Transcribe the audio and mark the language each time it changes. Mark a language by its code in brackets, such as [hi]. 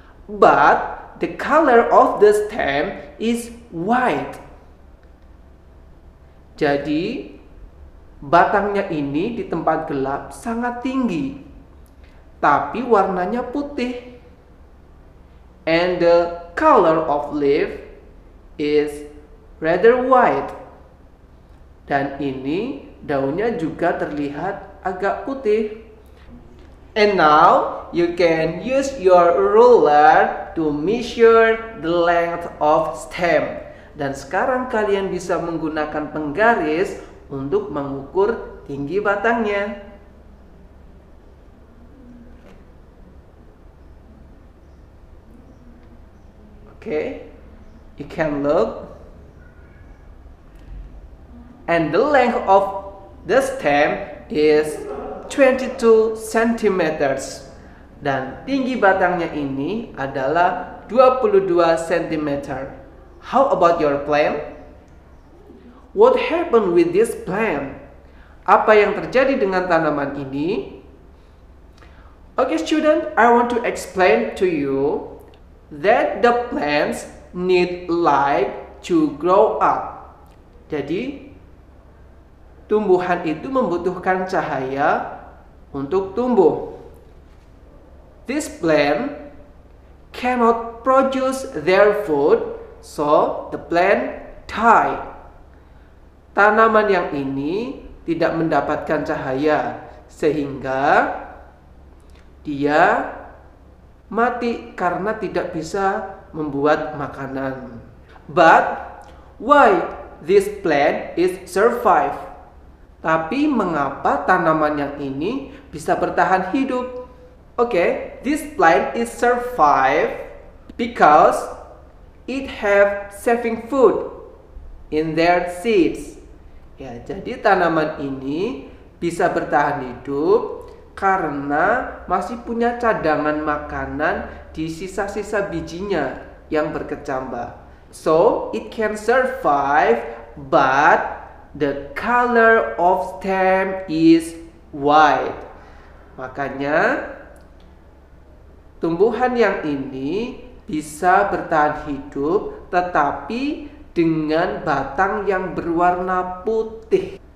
[en] But the color of the stem is white. [id] Jadi, batangnya ini di tempat gelap sangat tinggi. Tapi warnanya putih. [en] And the color of leaf is rather white. [id] Dan ini daunnya juga terlihat agak putih. [en] And now, you can use your ruler to measure the length of stem. [id] Dan sekarang kalian bisa menggunakan penggaris untuk mengukur tinggi batangnya. [en] Okay, you can look. And the length of the stem is 22 cm. [id] Dan tinggi batangnya ini adalah 22 cm. [en] How about your plant? What happened with this plant? [id] Apa yang terjadi dengan tanaman ini? [en] Okay, student, I want to explain to you that the plants need light to grow up. [id] Jadi, tumbuhan itu membutuhkan cahaya untuk tumbuh. [en] This plant cannot produce their food, so the plant die. [id] tanaman yang ini tidak mendapatkan cahaya sehingga dia mati karena tidak bisa membuat makanan. [en] But why this plant is survive? [id] Tapi mengapa tanaman yang ini bisa bertahan hidup? [en] Okay, this plant is survive because it have saving food in their seeds. [id] Ya, jadi tanaman ini bisa bertahan hidup karena masih punya cadangan makanan di sisa-sisa bijinya yang berkecambah. [en] So, it can survive, but the color of stem is white. [id] Makanya, tumbuhan yang ini bisa bertahan hidup tetapi dengan batang yang berwarna putih.